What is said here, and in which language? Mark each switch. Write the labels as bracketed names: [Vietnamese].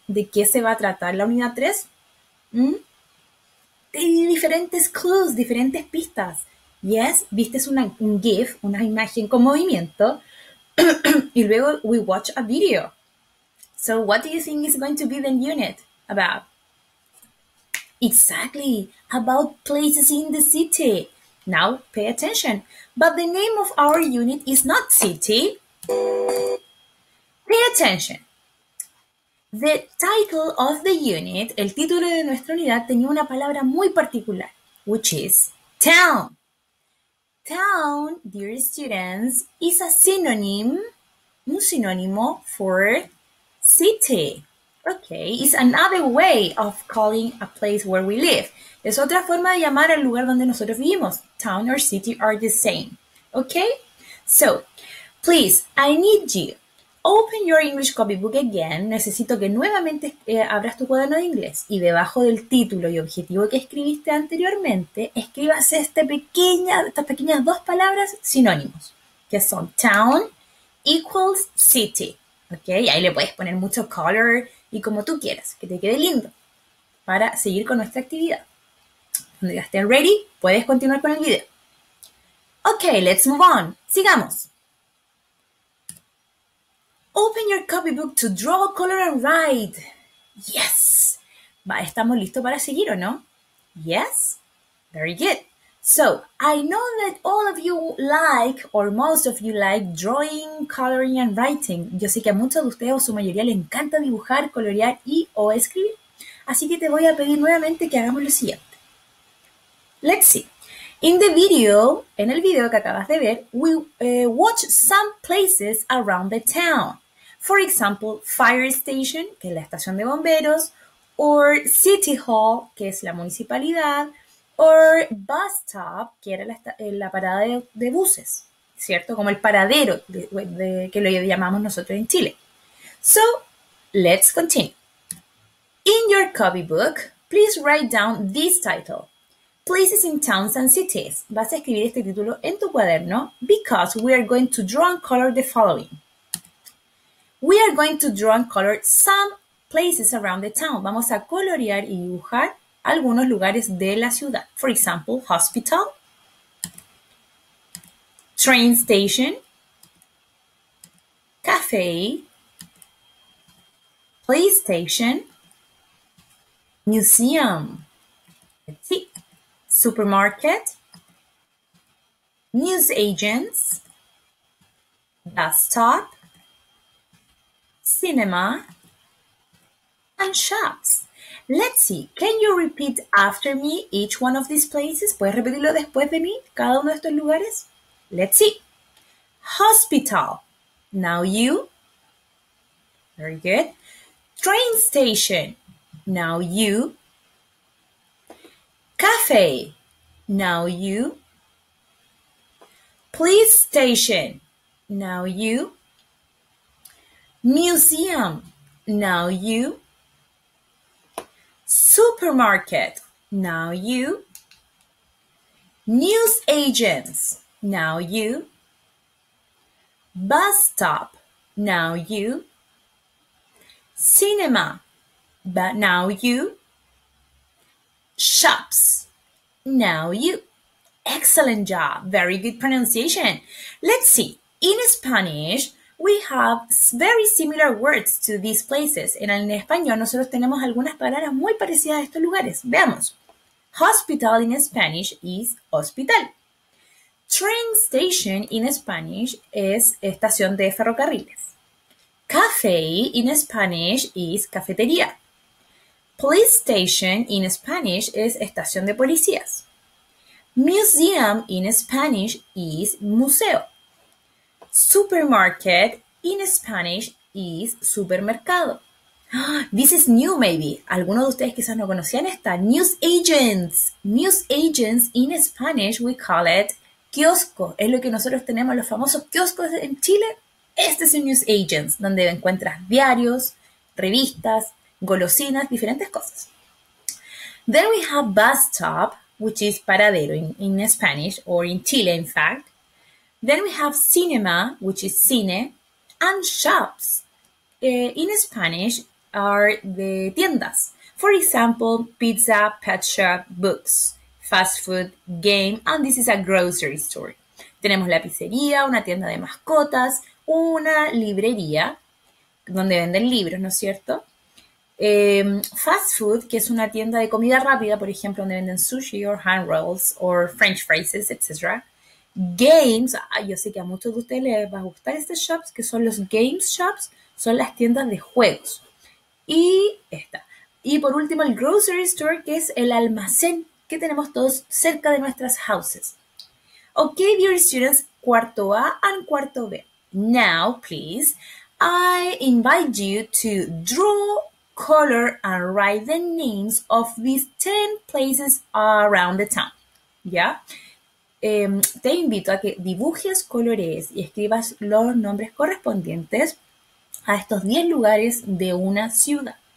[Spanish] ¿De qué se va a tratar la unidad 3? Te di diferentes clues, diferentes pistas. Yes, viste un GIF, una imagen con movimiento. Y luego [English] we watch a video. So what do you think is going to be the unit? About. Exactly, about places in the city. Now pay attention. But the name of our unit is not city. Pay attention. The title of the unit, [Spanish] el título de nuestra unidad, tenía una palabra muy particular, [English] which is town. Town, dear students, is a synonym, [Spanish] un sinónimo [English] for city. Okay, it's another way of calling a place where we live. [Spanish] Es otra forma de llamar el lugar donde nosotros vivimos. [English] Town or city are the same. Okay? So, please, I need you. Open your English copybook again. [Spanish] Necesito que nuevamente abras tu cuaderno de inglés. Y debajo del título y objetivo que escribiste anteriormente, escribas estas pequeñas dos palabras sinónimos, que son [English] town equals city. [Spanish] Okay? Ahí le puedes poner mucho color y como tú quieras, que te quede lindo para seguir con nuestra actividad. Cuando ya estén ready, puedes continuar con el video. [English] Okay, let's move on. [Spanish] Sigamos. [English] Open your copybook to draw, color, and write. [Spanish] Yes. ¿Estamos listos para seguir o no? Yes. [English] Very good. So, I know that all of you like, or most of you like, drawing, coloring, and writing. [Spanish] Yo sé que a muchos de ustedes, o su mayoría, le encanta dibujar, colorear y o escribir. Así que te voy a pedir nuevamente que hagamos lo siguiente. [English] Let's see. In the video, [Spanish] en el video que acabas de ver, [English] we watch some places around the town. For example, fire station, [Spanish] que es la estación de bomberos, [English] or city hall, [Spanish] que es la municipalidad, [English] or bus stop, [Spanish] que era la parada de buses, ¿cierto? Como el paradero que lo llamamos nosotros en Chile. [English] So, let's continue. In your copy book, please write down this title. Places in towns and cities. [Spanish] Vas a escribir este título en tu cuaderno [English] because we are going to draw and color the following. We are going to draw and color some places around the town. [Spanish] Vamos a colorear y dibujar algunos lugares de la ciudad. [English] For example, hospital, train station, cafe, police station, museum. Let's see. Supermarket, news agents, bus stop, cinema, and shops. Let's see, can you repeat after me each one of these places? [Spanish] ¿Puedes repetirlo después de mí, cada uno de estos lugares? [English] Let's see. Hospital, now you. Very good. Train station, now you. Cafe. Now you. Police station. Now you. Museum. Now you. Supermarket. Now you. News agents. Now you. Bus stop. Now you. Cinema. But now you. Shops. Now you. Excellent job. Very good pronunciation. Let's see. In Spanish, we have very similar words to these places. [Spanish] En español, nosotros tenemos algunas palabras muy parecidas a estos lugares. Veamos. [English] Hospital in Spanish is hospital. Train station in Spanish [Spanish] es estación de ferrocarriles. [English] Café in Spanish is cafetería. Police station in Spanish is estación de policías. Museum in Spanish is museo. Supermarket in Spanish is supermercado. This is new maybe. [Spanish] Algunos de ustedes quizás no conocían esta. News agents. [English] News agents in Spanish we call it kiosco. [Spanish] Es lo que nosotros tenemos, los famosos kioscos en Chile. Este es un news agents, donde encuentras diarios, revistas, golosinas, diferentes cosas. [English] Then we have bus stop, which is paradero in Spanish, or in Chile, in fact. Then we have cinema, which is cine, and shops. In Spanish are the tiendas. For example, pizza, pet shop, books, fast food, game, and this is a grocery store. [Spanish] Tenemos la pizzería, una tienda de mascotas, una librería, donde venden libros, ¿no es cierto? [English] Fast food, [Spanish] que es una tienda de comida rápida, por ejemplo, donde venden sushi [English] or hand rolls or french fries, [Spanish] etc. Games, yo sé que a muchos de ustedes les va a gustar estos shops, que son los games shops, son las tiendas de juegos. Y esta. Y por último, el grocery store, que es el almacén que tenemos todos cerca de nuestras houses. [English] Ok, dear students, cuarto A and cuarto B. Now, please, I invite you to draw, color and write the names of these 10 places around the town. [Spanish] ¿Ya? Te invito a que dibujes, colores y escribas los nombres correspondientes a estos 10 lugares de una ciudad.